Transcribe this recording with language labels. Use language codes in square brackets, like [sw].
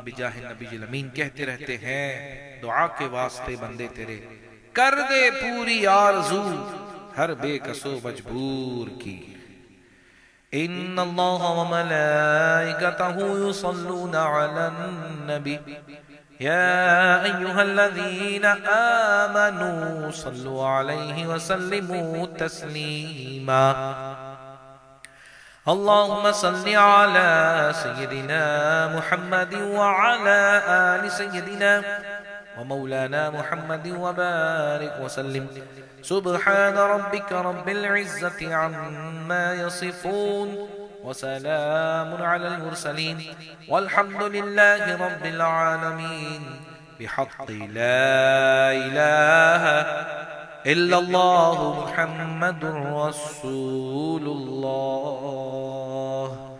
[ur] بجاہ نبی الامین کہتے رہتے ہیں دعا کے واسطے بندے تیرے. کر دے پوری آرزو ہر بے کسو مجبور کی. [ar] ان اللہ و ملائکتہ یصلون علی النبی یا ایھا الذین آمنوا صلوا علیہ وسلموا تسلیما. اللهم صل على سيدنا محمد وعلى آل سيدنا ومولانا محمد وبارك وسلم. سبحان ربك رب العزة عما يصفون وسلام على المرسلين والحمد لله رب العالمين بحق لا إله إلا الله محمد رسول الله